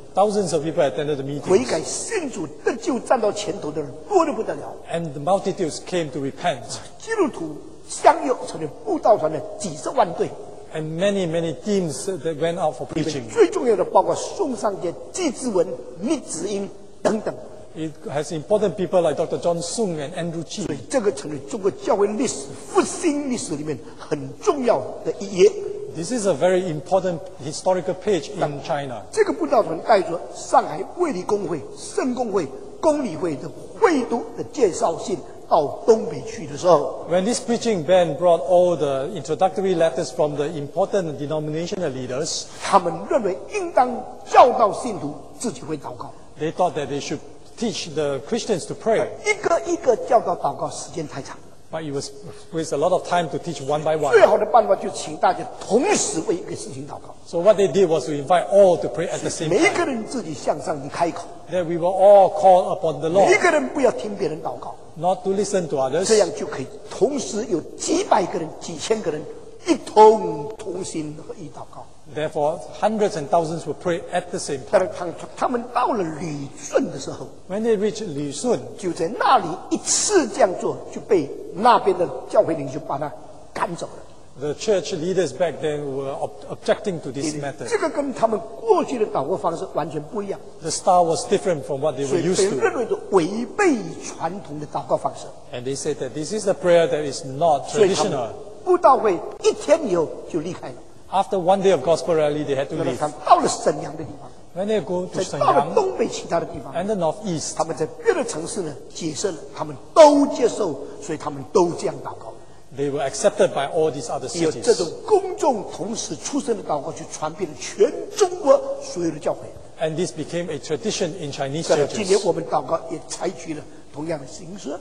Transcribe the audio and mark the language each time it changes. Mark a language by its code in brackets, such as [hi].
[en] Thousands of people attended the meetings. [zh] 悔改信主得救站到前头的人多得不得了 [en] And the multitudes came to repent. [zh] 基督徒相拥成为布道团的几十万队 [en] And many, many teams that went out for preaching. [zh] 最重要的包括宋尚杰、季志文、密子英等等。 [en] It has important people like Dr. John Sung and Andrew Chi. [zh] 所以这个成为中国教会历史复兴历史里面很重要的一页。 [en] This is a very important historical page in China. [zh] 这个布道团带着上海卫理公会、圣公会、公理会的会都的介绍信。到东北去的时候 [en] ，When this preaching band brought all the introductory letters from the important denominational leaders， [zh] 他们认为应当教导信徒自己会祷告。 [en] They thought that they should teach the Christians to pray。 [zh] 一个一个教导祷告时间太长了。 [en] But it was waste a lot of time to teach one by one。 [zh] 最好的办法就请大家同时为一个事情祷告。 [en] So what they did was to invite all to pray at the same time。 [zh] 每一个人自己向上帝开口。 [en] That we were all called upon the Lord。 [zh] 每一个人不要听别人祷告。 [en] Not to listen to others. [zh] 这样就可以同时有几百个人、几千个人一同同心合一祷告。 [en] Therefore, hundreds and thousands will pray at the same time. [zh] 但是他们到了旅顺的时候 [en] ，When they reach 旅顺， [zh] 就在那里一次这样做，就被那边的教会领袖把他赶走了。 [en] The church leaders back then were objecting to this method. [zh] 这个跟他们过去的祷告方式完全不一样。 [en] The style was different from what they were used to. [zh] 所以被认为的违背传统的祷告方式。 [en] And they said that this is a prayer that is not traditional. [zh] 所以他们布道会一天以后就离开了。 [en] After one day of gospel rally, they had to leave. [zh] 到了沈阳的地方。 [en] When they go to [zh] 沈阳。再到了东北其他的地方。 [en] And the northeast. [zh] 他们在别的城市呢，解释了，他们都接受，所以他们都这样祷告。 [en] They were accepted by all these other cities. [zh] 有这种公众同时出声的祷告，去传遍了全中国所有的教会。 [en] And this became a tradition in Chinese churches. [zh] 今年我们祷告也采取了同样的形式。